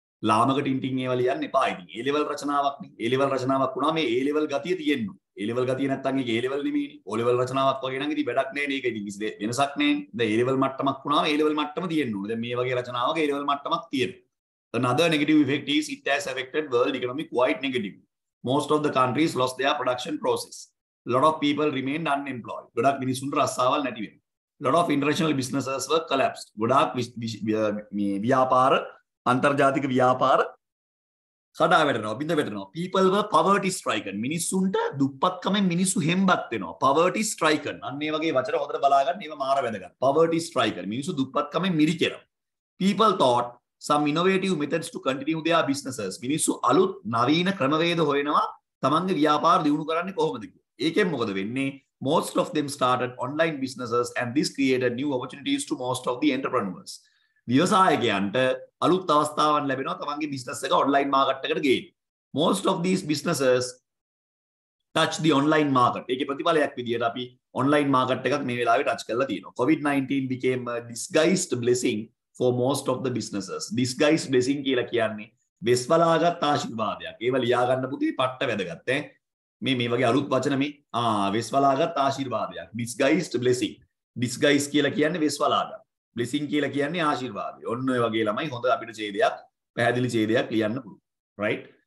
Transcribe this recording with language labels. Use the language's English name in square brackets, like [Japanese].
[Sinhala] ලාමකට ඉන්ටින් ඒවල යන්න එපා. ඉතින් ඒ ලෙවල් රචනාවක් නේ. ඒ ලෙවල් රචනාවක් වුණා මේ ඒ ලෙවල් ගතිය තියෙන්න. ඒ ලෙවල් ගතිය නැත්තම් ඒක ඒ ලෙවල් නෙමෙයි. ඕ ලෙවල් රචනාවක් වගේ නම් ඉතින් වැඩක් නැහැ නේද? ඉතින් වෙනසක් නැහැ. දැන් ඒ ලෙවල් මට්ටමක් වුණා ඒ ලෙවල් මට්ටම තියෙන්න ඕනේ. දැන් මේ වගේ රචනාවක ඒ ලෙවල් මට්ටමක් තියෙනවා. [English] Another negative effect is it has affected world economy quite negative. Most of the countries lost their production process. Lot of people remained unemployed. [Sinhala] ගොඩක් මිනිස්සුන් රස්සාවල් නැති වෙනවා. [English] Lot of international businesses were collapsed. [Sinhala] ගොඩාක් මේ ව්‍යාපාර අන්තර්ජාතික ව්‍යාපාර කඩාවැටෙනවා බිඳවැටෙනවා. [English] People were poverty stricken. [Sinhala] මිනිස්සුන්ට දුප්පත්කමෙන් මිනිස්සු හෙම්බත් වෙනවා. [English] Poverty stricken. [Sinhala] අන්න මේ වගේ වචන හොඳට බලාගන්න ඒවා මාර වැදගත්. Poverty stricken. මිනිස්සු දුප්පත්කමෙන් මිරිකෙනවා. [English] People thought some innovative methods to continue their businesses. [Sinhala] මිනිස්සු අලුත් නවීන ක්‍රමවේද හොයනවා තමන්ගේ ව්‍යාපාර දියුණු කරන්න කොහොමද කියලා. ඒකෙන් මොකද වෙන්නේ? [English] Most of them started online businesses and this created new opportunities to most of the entrepreneurs. [Sinhala] විවසායකයන්ට අලුත් අවස්ථාවක් ලැබෙනවා තමන්ගේ business එක online market එකට ගේන්න. [English] Most of these businesses touch the online market. [Sinhala] ඒකේ ප්‍රතිඵලයක් විදිහට අපි online market එකක් මේ වෙලාවේ touch කරලා තියෙනවා. [English] COVID-19 became a disguised blessing for most of the businesses. [Sinhala] Disguised blessing කියලා කියන්නේ වෙස් බලාගත් ආශිර්වාදයක්. ඒව ලියා ගන්න පුතේ පට්ට වැදගත් ඈ. මේ වගේ අලුත් වචන මේ වෙස් බලාගත් ආශිර්වාදයක්. Disguised blessing. Disguise කියලා කියන්නේ වෙස් බලාගත්. Blessing කියලා කියන්නේ ආශිර්වාදය. ඔන්න ඔය වගේ ළමයි හොඳ අපිට ඡේදයක් පැහැදිලි ඡේදයක් ලියන්න පුළුවන්. Right?